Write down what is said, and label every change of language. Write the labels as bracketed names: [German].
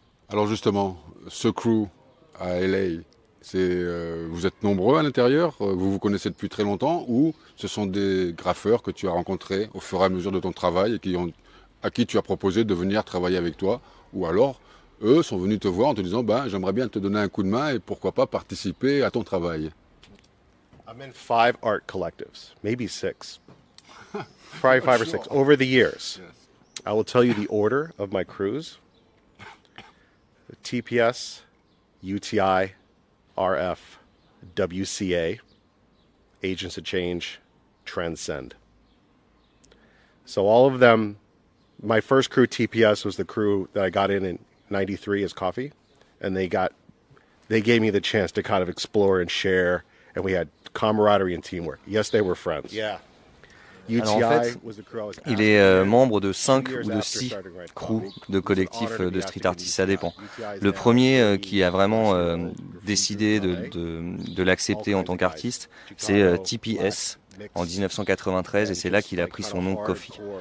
[French] Alors justement, ce crew à LA, vous êtes nombreux à l'intérieur, vous vous connaissez depuis très longtemps ou ce sont des graffeurs que tu as rencontrés au fur et à mesure de ton travail et à qui tu as proposé de venir travailler avec toi ou alors eux sont venus te voir en te disant ben, j'aimerais bien te donner un coup de main et pourquoi pas participer à ton travail. [English] I'm in five art collectives, maybe six. Probably five sure. Or six over the years. Yes. I will tell you the order of my crews. TPS, UTI, RF, WCA, Agents of Change, transcend. So all of them, my first crew TPS was the crew that I got in 93 as Coffee, and they gave me the chance to kind of explore and share, and we had camaraderie and teamwork. Yes, they were friends. Yeah. [French] Alors en fait, il est membre de 5 ou de 6 crews de collectifs de street artistes, ça dépend. Le premier qui a vraiment décidé de l'accepter en tant qu'artiste, c'est TPS en 1993 et c'est là qu'il a pris son nom Coffee.